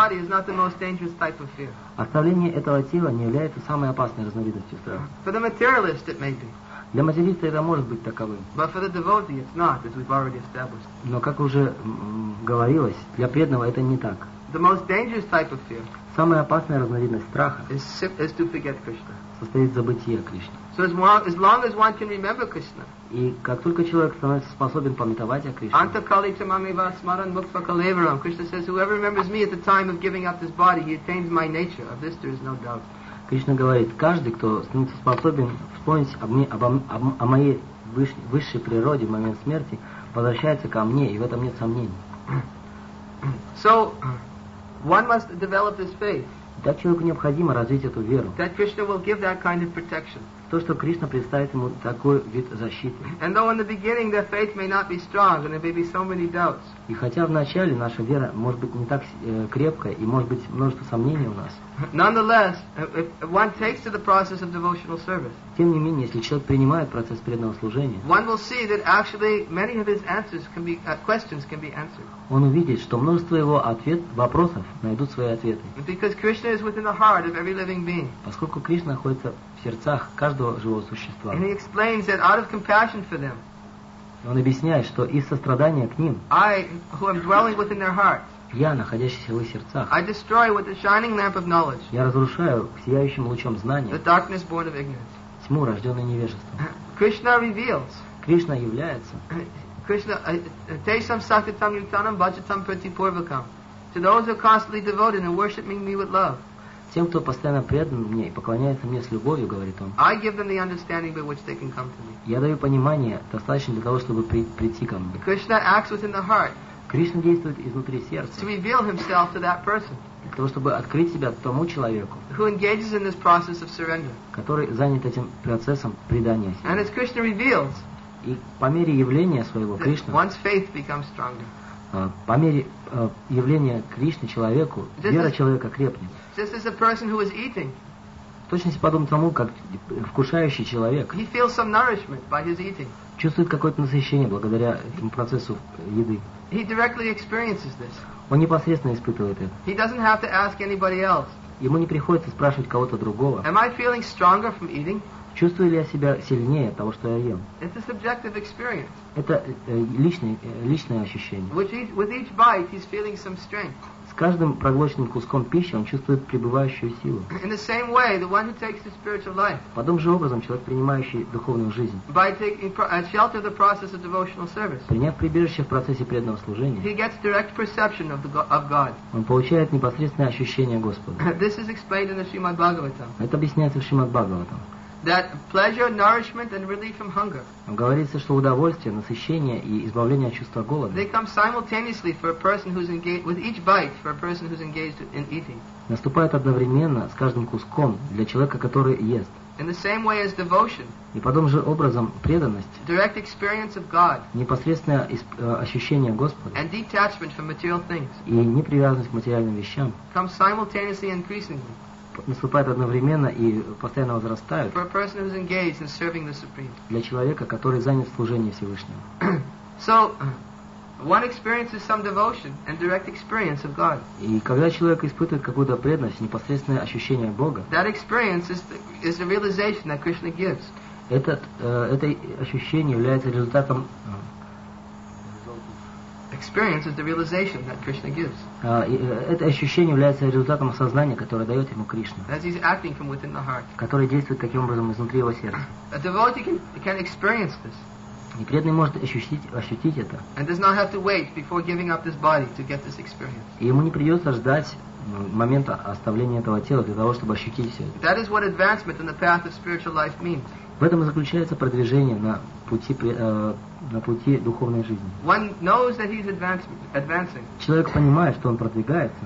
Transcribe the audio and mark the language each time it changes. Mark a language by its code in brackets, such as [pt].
[ru] Оставление этого тела не является самой опасной разновидностью страха. [en] For the materialist, it may be. [ru] Для материалиста это может быть таковым. [en] But for the devotee, it's not, as we've already established. [ru] Но, как уже говорилось, для преданного это не так. [en] The most dangerous type of fear. [ru] Самая опасная разновидность страха [en] is to forget Krishna. [ru] Состоит в забытии о Кришне. [en] So as long as one can remember Krishna. [ru] И как только человек становится способен памятовать о Кришне. [sa] Antakali tamami va smaran mukha kalevaram. [en] Krishna says, whoever remembers me at the time of giving up this body, he attains my nature. Of this there is no doubt. [ru] Кришна говорит, каждый, кто становится способен вспомнить о моей высшей природе в момент смерти, возвращается ко мне, и в этом нет сомнений. [en] So one must develop this faith. [ru] Так человеку необходимо развить эту веру. [en] That Krishna will give that kind of protection. [ru] То, что Кришна предоставит ему такой вид защиты. [en] And though in the beginning their faith may not be strong, and there may be so many doubts. [ru] И хотя в начале наша вера может быть не так крепкая, и может быть множество сомнений у нас. [en] Nonetheless, if one takes to the process of devotional service. [ru] Тем не менее, если человек принимает процесс преданного служения. [en] One will see that actually many of his answers can be questions can be answered. [ru] Он увидит, что множество его вопросов найдут свои ответы. [en] Because Krishna is within the heart of every living being. [ru] Поскольку Кришна находится в сердцах каждого живого существа. [en] And he explains that out of compassion for them, [ru] он объясняет, что из сострадания к ним [en] I, who am dwelling within their hearts, [ru] я, находящийся в их сердцах, [en] I destroy with the shining lamp of knowledge, [ru] я разрушаю сияющим лучом знания [en] the darkness born of ignorance, [ru] тьму, рожденную невежеством. [en] Krishna reveals, [ru] Кришна является [en] Krishna, [sa] tesam saktitam yutanam bhajatam pratipurvakam [en] to those who are constantly devoted and worshiping me with love. [ru] Тем, кто постоянно предан мне и поклоняется мне с любовью, говорит он. [en] I give them the understanding by which they can come to me. [ru] Я даю понимание, достаточно для того, чтобы прийти ко мне. [en] Krishna acts within the heart. [ru] Кришна действует изнутри сердца. [en] To reveal himself to that person. [ru] Для того, чтобы открыть себя тому человеку. [en] Who engages in this process of surrender. [ru] Который занят этим процессом предания себе. [en] And as Krishna reveals. [ru] И по мере явления своего Кришна. [en] One's faith becomes stronger. [ru] По мере явления Кришны человеку, вера человека крепнет. [en] Just as a person who is eating. [ru] Точно подобно тому, как вкушающий человек. [en] He feels some nourishment by his eating. [ru] Чувствует какое-то насыщение благодаря этому процессу еды. [en] He directly experiences this. [ru] Он непосредственно испытывает это. [en] He doesn't have to ask anybody else. [ru] Ему не приходится спрашивать кого-то другого. [en] Am I feeling stronger from eating? [ru] Чувствую ли я себя сильнее от того, что я ем? [en] It's a subjective experience. [ru] Это личное ощущение. [en] With each bite, he's feeling some strength. [ru] С каждым проглоченным куском пищи он чувствует пребывающую силу. [en] In the same way, the one who takes the spiritual life. [ru] Подобным же образом человек, принимающий духовную жизнь. [en] By taking shelter of the process of devotional service. [ru] Приняв прибежище в процессе преданного служения. [en] He gets direct perception of God. [ru] Он получает непосредственное ощущение Господа. [en] This is explained in the Srimad Bhagavatam. [ru] Это объясняется в Шримад Бхагаватам. [en] That pleasure, nourishment, and relief from hunger. [ru] Говорится, что удовольствие, насыщение и избавление от чувства голода. [en] They come simultaneously for a person who's engaged with each bite for a person who's engaged in eating. [ru] Наступает одновременно с каждым куском для человека, который ест. [en] In the same way as devotion. [ru] И по тому же образом преданность. [en] Direct experience of God. [ru] Непосредственное ощущение Господа. [en] And detachment from material things. [ru] И непривязанность к материальным вещам. [en] Come simultaneously and increasingly. [ru] Наступает одновременно и постоянно возрастает [en] for a person who's engaged in serving the Supreme. [ru] Для человека, который занят в служении Всевышнего. [en] So, one experiences some devotion and direct experience of God. [ru] И когда человек испытывает какую-то преданность, непосредственное ощущение Бога, [en] that experience is the realization that Krishna gives. [ru] Это ощущение является результатом. [en] Experience is the realization that Krishna gives. [ru] Это ощущение является результатом осознания, которое дает ему Кришна. [en] As he's acting from within the heart. [ru] Который действует таким образом изнутри его сердца. [en] A devotee can experience this. [ru] И преданный может ощутить это. [en] And does not have to wait before giving up this body to get this experience. [ru] И ему не придется ждать момента оставления этого тела для того, чтобы ощутить все это. [en] That is what advancement in the path of spiritual life means. [ru] В этом и заключается продвижение на пути духовной жизни. [en] One knows that he's advancing. [ru] Человек понимает, что он продвигается.